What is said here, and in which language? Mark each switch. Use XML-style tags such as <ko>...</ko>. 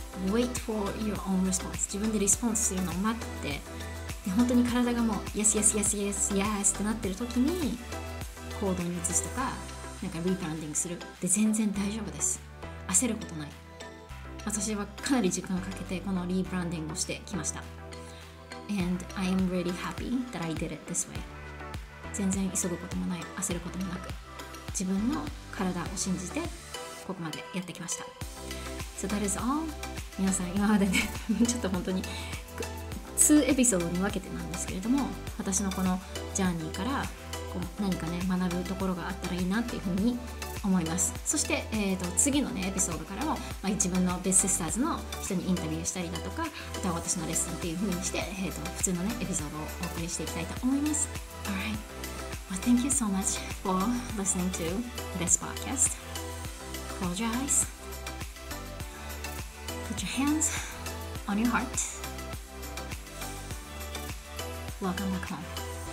<en>Wait for your own response.</en> <ja>自分でリスポンスするのを待って、本当に体がもう</ja> <en>Yes, Yes, Yes, Yes, Yes</en> <ja>ってなってる時に行動に移すとか、なんかリブランディングするで全然大丈夫です。焦ることない。私はかなり時間をかけてこのリブランディングをしてきました。</ja> <en>And I am really happy that I did it this way.</en> <ja>全然急ぐこともない、焦ることもなく、自分の体を信じてここまでやってきました。</ja> <en>So that is all.</en> <ja>皆さん今までねちょっと本当に数エピソードに分けてなんですけれども、私のこのジャーニーからこう何かね学ぶところがあったらいいなっていうふうに思います。そして、次のねエピソードからも、まあ、自分のベストセスターズの人にインタビューしたりだとか、あとは私のレッスンっていうふうにして、普通のねエピソードをお送りしていきたいと思います。</ja> <en>Alright, well thank you so much for listening to this podcast. Close your eyes. Put your hands on your heart. Welcome back home.</en>